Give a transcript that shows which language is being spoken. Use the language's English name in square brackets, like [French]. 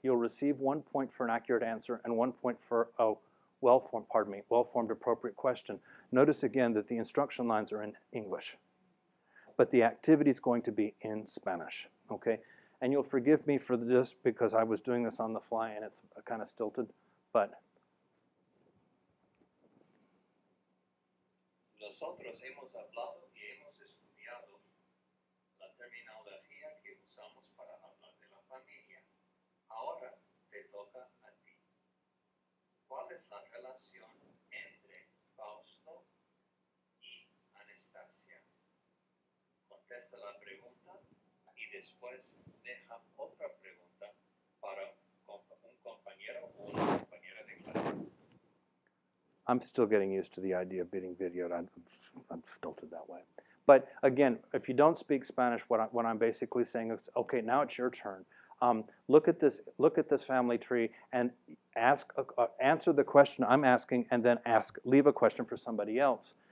[English] You'll receive 1 point for an accurate answer and 1 point for a well-formed, appropriate question. Notice again that the instruction lines are in English, but the activity is going to be in Spanish, okay? And you'll forgive me for this because I was doing this on the fly and it's kind of stilted, but... [Spanish] Nosotros hemos hablado y hemos estudiado la terminología que usamos para hablar de la familia. Ahora te toca a ti. ¿Cuál es la relación entre Fausto y Anastasia? Contesta la pregunta y después deja otra pregunta para un compañero o una compañera de clase. [English] I'm still getting used to the idea of being videoed. I'm stilted that way. But again, if you don't speak Spanish, what I'm basically saying is, okay, now it's your turn. Look at this family tree and answer the question I'm asking and then leave a question for somebody else.